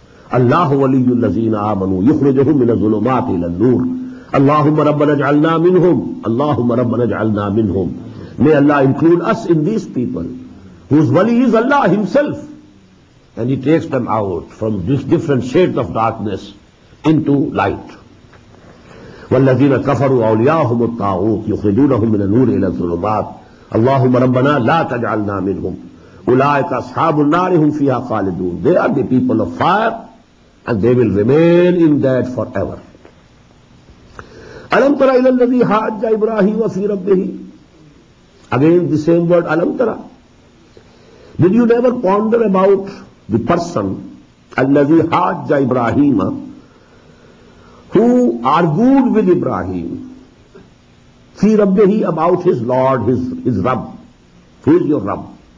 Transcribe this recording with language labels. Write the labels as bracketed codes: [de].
[ar] اللَّهُ وَلِيُّ الَّذِينَ آمَنُوا يُخْرِجُهُمْ مِنَ الظُّلُمَاتِ إِلَى النُّورِ. اللهم ربنا اجعلنا منهم. اللهم ربنا اجعلنا منهم. [en] May Allah include us in these people whose wali is Allah himself. And he takes them out from this different shades of darkness into light. [ar] والذين كفروا أولياءهم الطاغوت يخرجونهم من النور إلى الظلمات. اللهم ربنا لا تجعلنا منهم. أولئك أصحاب النار هم فيها خالدون. [en] They are the people of fire and they will remain in that forever. [ar] أَلَمْ تَرَ إِلَى الَّذِي حَاجَّ إِبْرَاهِيمَ فِي رَبِّهِ. [en] Again the same word, [ar] أَلَمْ تَرَ. [en] Did you never ponder about the person [ar] الَّذِي حَاجَّ إِبْرَاهِيمَ, [en] who argued with Ibrahim [ar] فِي رَبِّهِ, [en] about his Lord, his Rabb. Who is your Rabb?